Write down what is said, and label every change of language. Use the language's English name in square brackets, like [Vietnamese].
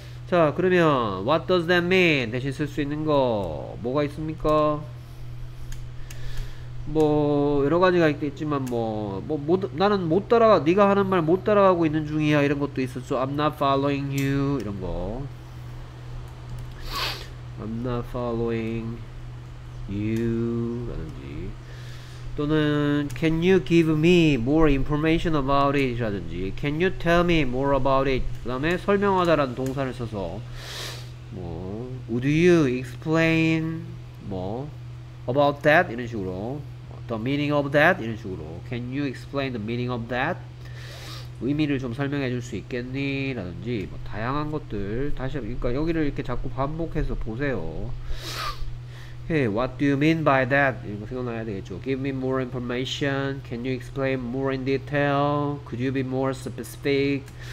[Korean] 자, 그러면 [English] what does that mean [Korean] 대신 쓸수 있는 거 뭐가 있습니까? 뭐 여러 가지가 있겠지만 나는 못 따라가 네가 하는 말못 따라가고 있는 중이야 이런 것도 있었죠. [English] I'm not following you [Korean] 이런 거. [English] I'm not following you [Korean] 라든지 또는 [English] Can you give me more information about it? [Korean] 이라든지 [English] Can you tell me more about it? [Korean] 그 다음에 설명하다라는 동사를 써서 뭐 [English] Would you explain [Korean] 뭐 [English] about that? [Korean] 이런 식으로 [English] The meaning of that? [Korean] 이런 식으로 [English] Can you explain the meaning of that? [Korean] 의미를 좀 설명해 줄수 있겠니? 라든지 뭐 다양한 것들 다시 그러니까 여기를 이렇게 자꾸 반복해서 보세요. [English] Hey, what do you mean by that? [Korean] 이거 생각나야 되겠죠. [English] Give me more information. Can you explain more in detail? Could you be more specific?